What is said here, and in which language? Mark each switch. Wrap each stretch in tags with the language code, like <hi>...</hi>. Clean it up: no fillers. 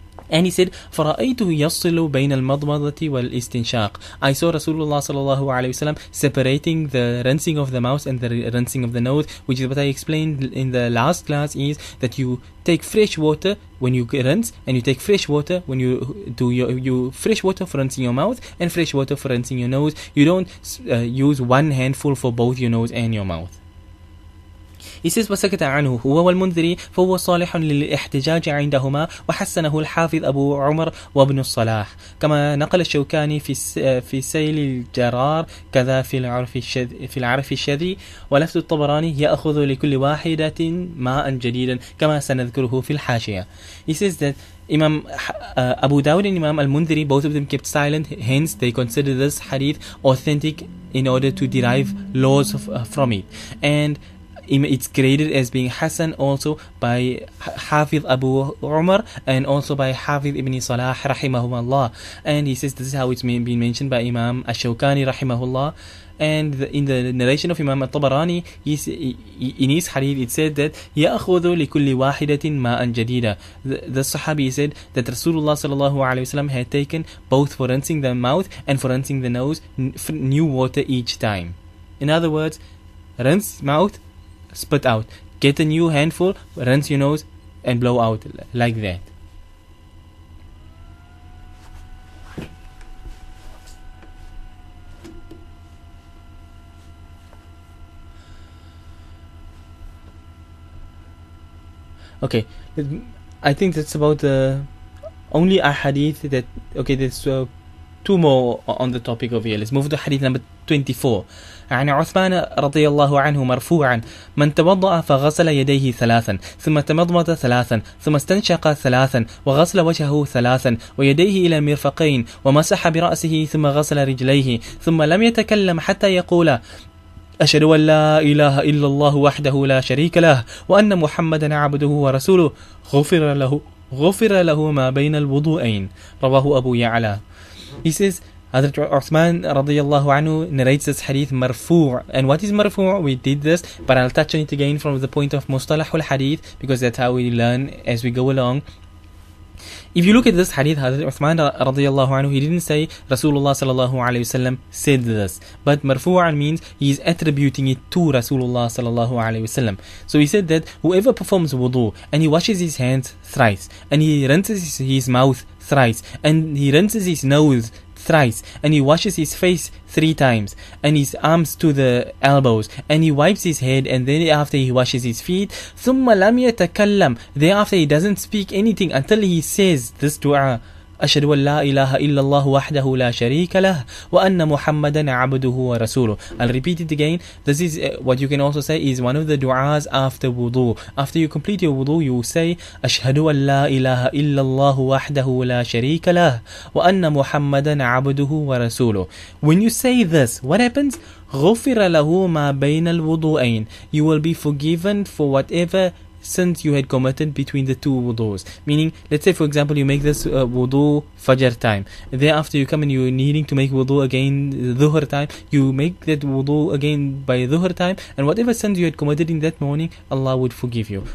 <en>And he said,</en> <ar>فَرَأَيْتُهُ يَصِلُ بَيْنَ الْمَضْمَضَةِ وَالْإِسْتِنْشَاقِ</ar> <en>I saw Rasulullah sallallahu alayhi wa sallam separating the rinsing of the mouth and the rinsing of the nose, which is what I explained in the last class, is that you take fresh water when you rinse, and you take fresh water when you do your fresh water for rinsing your mouth and fresh water for rinsing your nose. You don't use one handful for both your nose and your mouth. He says,</en> <ar>وَسَكَتَ عَنْهُ هُوَ وَالْمُنذِرِ فَهُوَ صَالِحٌ لِلْإِحْتِجَاجِ عِنْدَهُمَا وَحَسَّنَهُ الْحَافِظُ أَبُو عُمَرَ وَابْنُ الصَّلَاحِ كَمَا نَقَلَ الشَّوْكَانِي فِي سَيْلِ الْجَرَارِ كَذَا فِي الْعَرْفِ الشَّذِي وَلَفْتُ الطَّبَرَانِي يَأْخُذُ لِكُلِّ وَاحِدَةٍ مَاءً جَدِيدًا كَمَا سَنَذْكُرُهُ فِي الْحَاشِيَةِ</ar> <en>He says that Imam Abu Dawud and Imam Al-Mundhiri, both of them kept silent, hence they consider this hadith authentic in order to derive laws from it. And it's graded as being Hassan also by Hafidh Abu Umar and also by Hafidh Ibn Salah rahimahumallah. And he says this is how it's been mentioned by Imam Ash-Shawkani rahimahullah. And in the narration of Imam At-Tabarani, in his hadith, it said that</en> <ar>يَأْخُذُ لِكُلِّ وَاحِدَةٍ مَاءً جَدِيدًا</ar> <en>The Sahabi said that Rasulullah sallallahu alayhi wa sallam had taken, both for rinsing the mouth and for rinsing the nose, new water each time. In other words, rinse mouth, spit out, get a new handful, rinse your nose, and blow out like that. Okay, I think that's about the only hadith that. Okay, there's two more on the topic over here. Let's move to hadith number 24.</en> <ar>عن عثمان رضي الله عنه مرفوعا من توضأ فغسل يديه ثلاثا ثم تمضمض ثلاثا ثم استنشق ثلاثا وغسل وجهه ثلاثا ويديه إلى المرفقين ومسح برأسه ثم غسل رجليه ثم لم يتكلم حتى يقول أشهد أن لا إله إلا الله وحده لا شريك له وأن محمدا عبده ورسوله غفر له ما بين الوضوءين رواه أبو يعلى</ar> <en>He says Hazrat Uthman radiyallahu anhu narrates this hadith marfu'. And what is marfu'? We did this, but I'll touch on it again from the point of mustalahul hadith, because that's how we learn as we go along. If you look at this hadith, Hazrat Uthman radiyallahu anhu, he didn't say Rasulullah sallallahu alayhi wa sallam said this. But marfu'an means he is attributing it to Rasulullah sallallahu alayhi wa sallam. So he said that whoever performs wudu and he washes his hands thrice, and he rinses his mouth thrice, and he rinses his nose thrice, and he washes his face three times, and his arms to the elbows, and he wipes his head, and then after he washes his feet,</en> <ar>ثُمَّ لَمْ يَتَكَلَّمْ</ar> <en>Thereafter he doesn't speak anything until he says this dua,</en> <ar>أَشْهَدُ أَنْ لَا إِلَهَ إِلَّا اللَّهُ وَحْدَهُ لَا شَرِيكَ لَهُ وَأَنَّ مُحَمَّدًا عَبْدُهُ وَرَسُولُهُ</ar> <en>I'll repeat it again. This is what you can also say is one of the du'as after wudu. After you complete your wudu, you say,</en> <ar>أَشْهَدُ أَنْ لَا إِلَهَ إِلَّا اللَّهُ وَحْدَهُ لَا شَرِيكَ لَهُ وَأَنَّ مُحَمَّدًا عَبْدُهُ وَرَسُولُهُ</ar> <en>When you say this, what happens?</en> <ar>غُفِرَ لَهُ مَا بَيْنَ الْوُضُوءَيْنِ</ar> <en>You will be forgiven for whatever sins you had committed between the two wudus. Meaning, let's say for example you make this wudu fajr time, thereafter you come and you're needing to make wudu again dhuhr time, you make that wudu again by dhuhr time, and whatever sins you had committed in that morning, Allah would forgive you.</en>